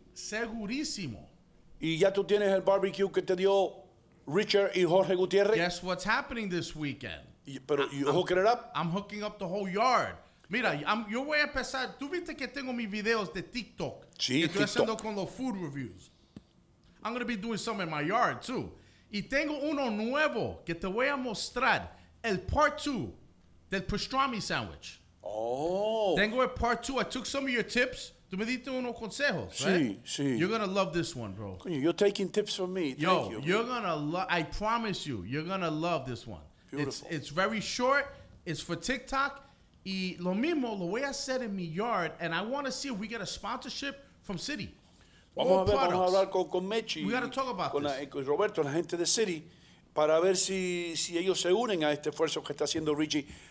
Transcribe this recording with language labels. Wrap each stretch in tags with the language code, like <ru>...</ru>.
<es>Segurísimo. ¿Y ya tú tienes el barbecue que te dio Richard y Jorge Gutiérrez?</es> <en>Guess what's happening this weekend. Pero, you hooking it up? I'm hooking up the whole yard. Mira, yo voy a empezar.</en> <es>¿Tú viste que tengo mis videos de TikTok? Sí, que estoy haciendo con los food reviews.</es> <en>I'm going to be doing some in my yard, too.</en> <es>Y tengo uno nuevo que te voy a mostrar. El part two del pastrami sandwich. Oh.</es> <en>Tengo el part two. I took some of your tips.</en> <es>Tú me diste unos consejos, sí,</es> <en>right?</en> <es>Sí.</es> <en>You're going to love this one, bro. You're taking tips from me. Yo, thank you. You're going to love, I promise you, you're going to love this one. Beautiful. It's very short. It's for TikTok.</en> <es>Y lo mismo, lo voy a hacer en mi yard.</es> <en>And I want to see if we get a sponsorship from City.</en> <es>Vamos a ver, vamos a hablar con Mechi.</es> <en>We got to talk about</en> <es>con</es> <en>this.</en> <es>Con Roberto, la gente de City, para ver si ellos se unen a este esfuerzo que está haciendo Richie.</es>